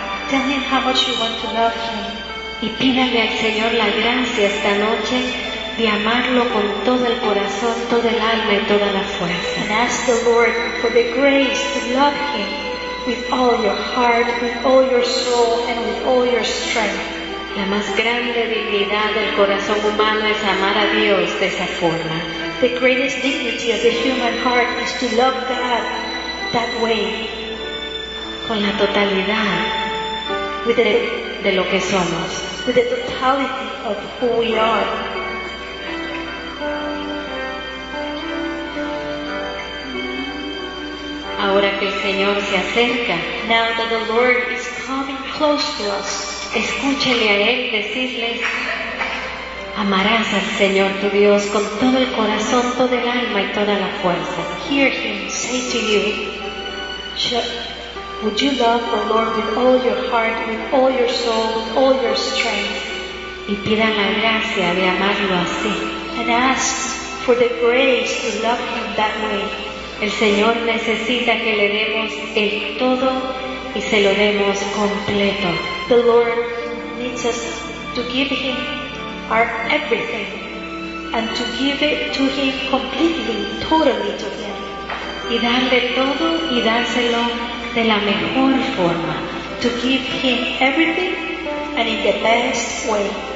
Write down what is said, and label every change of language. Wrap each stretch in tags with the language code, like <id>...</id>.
<en>Tell him how much you want to love him.</en> <es>Y pídale al Señor la gracia esta noche de amarlo con todo el corazón, todo el alma y toda la fuerza.</es> <en>And ask the Lord for the grace to love him with all your heart, with all your soul, and with all your strength.</en> <es>La más grande dignidad del corazón humano es amar a Dios de esa forma.</es> <en>The greatest dignity of the human heart is to love God that way.</en> <es>Con la totalidad de lo que somos.</es> <en>With the totality of who we are.</en> <es>Ahora que el Señor se acerca,</es> <en>now that the Lord is coming close to us,</en> <es>escúchele a Él decirle, amarás al Señor tu Dios con todo el corazón, toda el alma y toda la fuerza.</es> <en>Hear Him say to you, would you love the Lord with all your heart, with all your soul, with all your strength?</en> <es>Y pida la gracia de amarlo así.</es> <en>And ask for the grace to love Him that way.</en> <es>El Señor necesita que le demos el todo y se lo demos completo.</es> <en>The Lord needs us to give Him our everything and to give it to Him completely, totally to Him.</en> <es>Y darle todo y dárselo de la mejor forma.</es> <en>To give Him everything and in the best way.</en>